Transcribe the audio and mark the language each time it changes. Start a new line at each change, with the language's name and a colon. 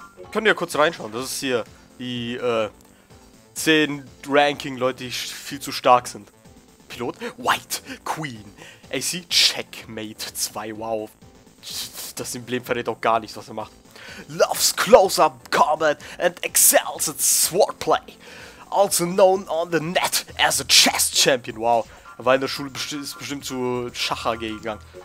German: Könnt ihr ja kurz reinschauen, das ist hier die 10 Ranking-Leute, die viel zu stark sind.
English: Pilot, White, Queen, AC, Checkmate 2, wow.
German: Das Emblem verrät auch gar nichts, was er macht.
English: Loves Close-Up Combat and excels at Swordplay. Also known on the net as a Chess Champion, wow.
German: Er war in der Schule, ist bestimmt zu Schach AG gegangen.